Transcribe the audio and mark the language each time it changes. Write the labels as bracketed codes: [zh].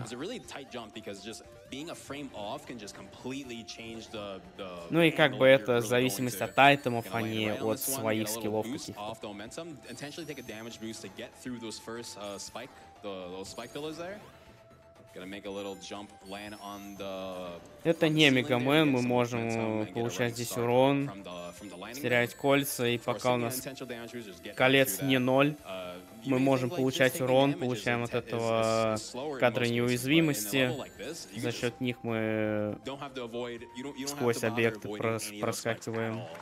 [en] It's a really tight jump because just being a frame off can just completely change the [ru] ну и как бы это [en] really [ru] зависимость от айтемов, а не от своих скиллов каких-то. [en] Intentionally take a damage boost to get through those first spike, those spike pillars there. Gonna make a little jump, land on the. [ru] Это не Мегамен, мы можем получать здесь урон, терять кольца, и пока у нас колец не ноль, мы можем получать урон, получаем от этого кадры неуязвимости, за счет них мы сквозь объекты проскакиваем.